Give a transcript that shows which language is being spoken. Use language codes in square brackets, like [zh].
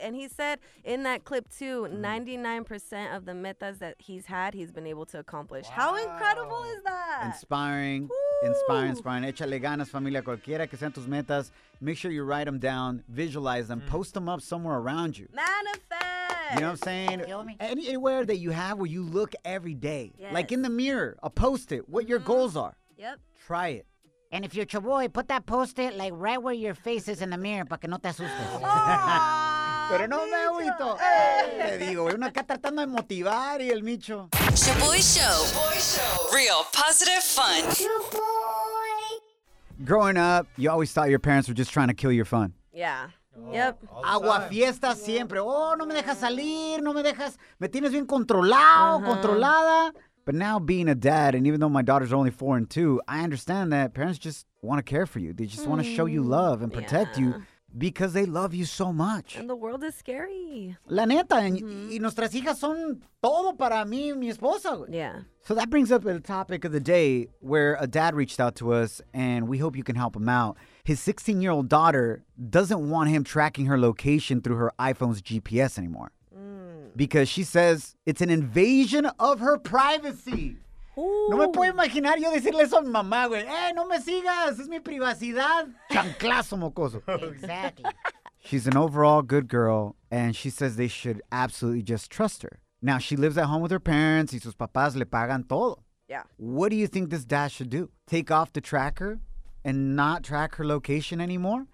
[en] And he said in that clip too, 99% of the metas that he's been able to accomplish. Wow. How incredible is that? Inspiring. Ooh. Inspiring. [es] Échale ganas, familia, cualquiera que sean tus metas. [en] Make sure you write them down, visualize them, post them up somewhere around you. Manifest. You know what I'm saying? Anywhere that you have where you look every day, yes. Like in the mirror, a post-it, what mm-hmm. your goals are. Yep. Try it. And if you're Shoboy, put that post-it, like, right where your face is in the mirror, [es] para que no te asustes. Pero no me agüito. Te digo, uno acá tratando de motivar y el Micho. [en] Shoboy Show. Shoboy Show. Real positive fun. Shoboy. Growing up, you always thought your parents were just trying to kill your fun. Yeah. Yep. [es] Agua fiesta siempre. Oh, no me dejas salir, no me dejas. Me tienes bien controlado, uh-huh. controlada. [en] But now being a dad, and even though my daughter's only 4 and 2, I understand that parents just want to care for you. They just want to show you love and protect you because they love you so much. And the world is scary. [es] La neta. Mm-hmm. Y nuestras hijas son todo para mí y mi esposa. [en] Yeah. So that brings up the topic of the day where a dad reached out to us, and we hope you can help him out. His 16-year-old daughter doesn't want him tracking her location through her iPhone's GPS anymore. Because she says it's an invasion of her privacy. Ooh. [es] No me puedo imaginar yo decirle eso a mi mamá, güey. ¡Eh, no me sigas! ¡Es mi privacidad! ¡Chanclazo, mocoso! [en] Exactly. She's an overall good girl, and she says they should absolutely just trust her. Now, she lives at home with her parents, [es] y sus papás le pagan todo. [en] Yeah. What do you think this dad should do? Take off the tracker and not track her location anymore?